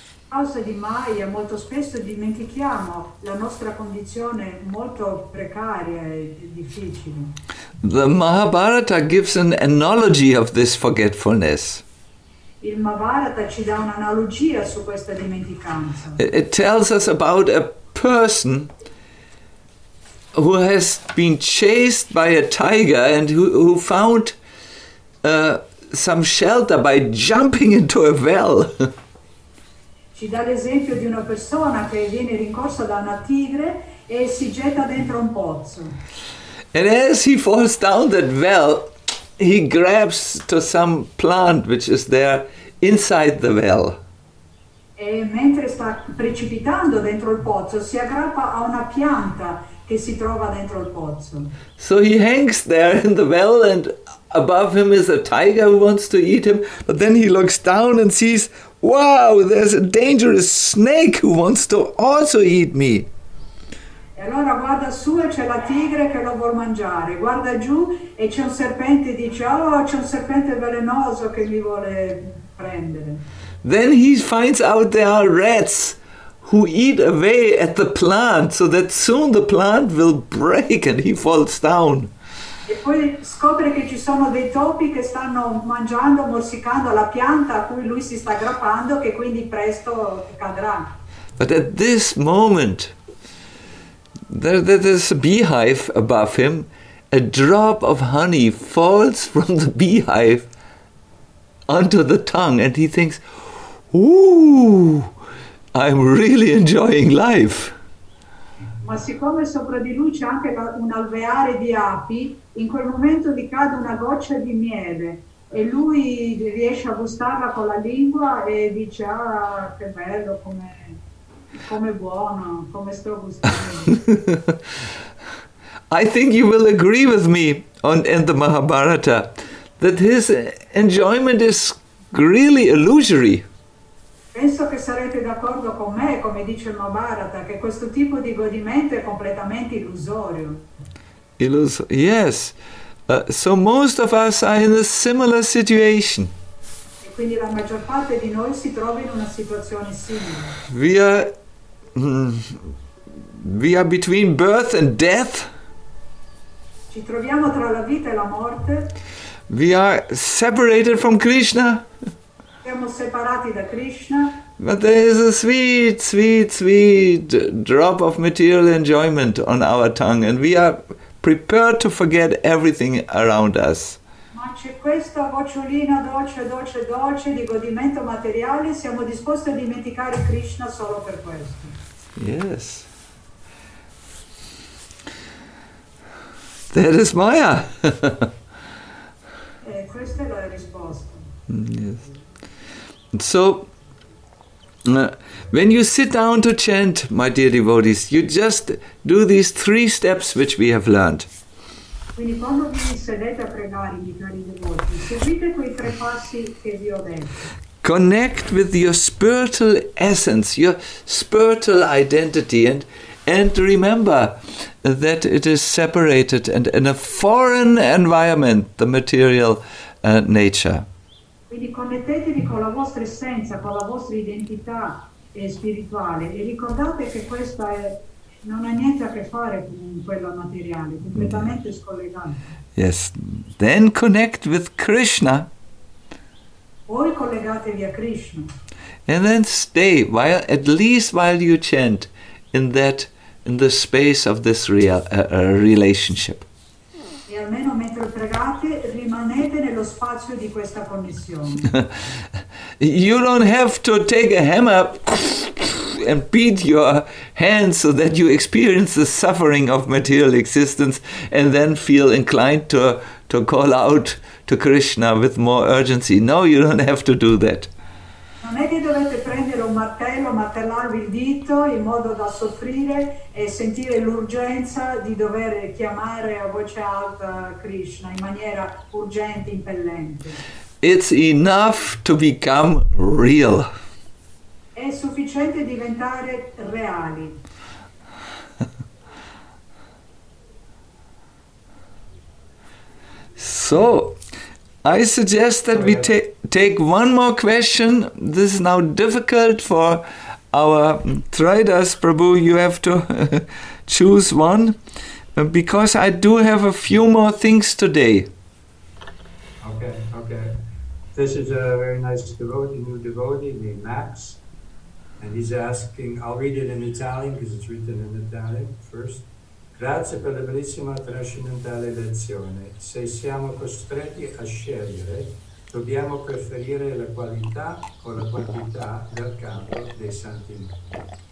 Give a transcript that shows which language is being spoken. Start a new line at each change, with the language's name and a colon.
Italian: A causa di Maya molto spesso dimentichiamo la nostra condizione molto precaria e difficile.
English: The Mahabharata gives an analogy of this forgetfulness.
Italian: Il Mahabharata ci dà un'analogia su questa dimenticanza.
English: It tells us about a person who has been chased by a tiger and who found some shelter by jumping into a well.
Italian: ci dà l'esempio di una persona che viene rincorsa da una tigre e si getta dentro un pozzo.
English: And as he falls down that well, he grabs to some plant which is there inside the well.
Italian: E mentre sta precipitando dentro il pozzo, si aggrappa a una pianta che si trova dentro il pozzo.
English: So he hangs there in the well, and above him is a tiger who wants to eat him. But then he looks down and sees, wow, there's a dangerous snake who wants to also eat me.
Italian: E allora guarda su e c'è la tigre che lo vuol mangiare. Guarda giù e c'è un serpente, e dice, oh, c'è un serpente velenoso che mi vuole prendere.
English: Then he finds out there are rats who eat away at the plant, so that soon the plant will break and he falls down.
Italian: E poi scopre che ci sono dei topi che stanno mangiando, morsicando la pianta a cui lui si sta aggrappando, che quindi presto cadrà.
English: But at this moment, there is a beehive above him. A drop of honey falls from the beehive onto the tongue, and he thinks, ooh, I'm really enjoying life.
Italian: Ma siccome sopra di lui c'è anche un alveare di api, in quel momento gli cade una goccia di miele e lui riesce a gustarla con la lingua e dice, ah, che bello, come buono, come sto gustando.
English: I think you will agree with me in the Mahabharata that his enjoyment is really illusory.
Italian: Penso che sarete d'accordo con me, come dice il Mahabharata, che questo tipo di godimento è completamente illusorio.
English: Yes. So most of us are in a similar situation.
Italian: E quindi la maggior parte di noi si trova in una situazione simile.
English: We are between birth and death.
Italian: Ci troviamo tra la vita e la morte.
English: We are separated from Krishna.
Italian: Siamo separati da Krishna.
English: But there is a sweet, sweet, sweet drop of material enjoyment on our tongue, and we are prepared to forget everything around us.
Italian: Ma c'è questa gocciolina dolce, dolce, dolce di godimento materiale. Siamo disposti a dimenticare Krishna solo per questo.
English: Yes. That is Maya.
Italian: Questa è la risposta.
English: Yes. So, when you sit down to chant, my dear devotees, you just do these three steps which we have learned.
Italian: Quindi quando vi sedete a pregare, mi cari devoti, seguite quei tre passi che vi ho detto.
English: Connect with your spiritual essence, your spiritual identity, and remember that it is separated and in a foreign environment, the material nature.
Italian: Quindi connettetevi con la vostra essenza, con la vostra identità spirituale e ricordate che questa non ha niente a che fare con quello materiale, completamente scollegato.
English: Yes, then connect with Krishna.
Italian: Poi collegatevi a Krishna.
English: And then stay, while you chant, in the space of this relationship.
Italian: E almeno mentre pregate, rimanete nello spazio di questa connessione.
English: You don't have to take a hammer and beat your hands so that you experience the suffering of material existence and then feel inclined to call out to Krishna with more urgency. No, you don't have to do that.
Italian: Non è che dovete prendere un martello, martellarvi il dito in modo da soffrire e sentire l'urgenza di dover chiamare a voce alta Krishna in maniera urgente, impellente.
English: It's enough to become real.
Italian: È sufficiente diventare reali.
English: So, I suggest that we take one more question. This is now difficult for our Tridas Prabhu. You have to choose one, because I do have a few more things today. Okay. This is a very nice new devotee named Max, and he's asking, I'll read it in Italian because it's written in Italian first.
Italian: Grazie per la bellissima trascendentale lezione. Se siamo costretti a scegliere Dobbiamo preferire la qualità o la quantità dal campo dei santi nomi.